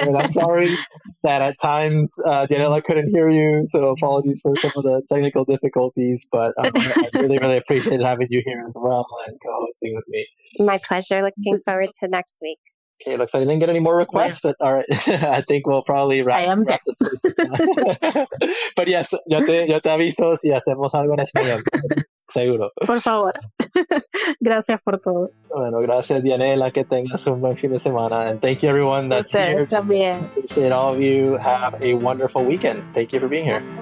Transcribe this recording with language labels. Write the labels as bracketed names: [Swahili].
[English] And I'm sorry that at times Dyanela couldn't hear you. So apologies for some of the technical difficulties. But I really, really appreciate having you here as well and co-hosting with me. My pleasure. Looking forward to next week. Okay, looks like I didn't get any more requests, but all right, I think we'll probably wrap this up. But yes, [Spanish] yo te aviso si hacemos algo en español, seguro. Por favor. Gracias por todo. Bueno, gracias, Dyanela, que tengas un buen fin de semana. [English] And thank you, everyone that's [Spanish] usted, [English] here. [Spanish] También. [English] Appreciate all of you. Have a wonderful weekend. Thank you for being here.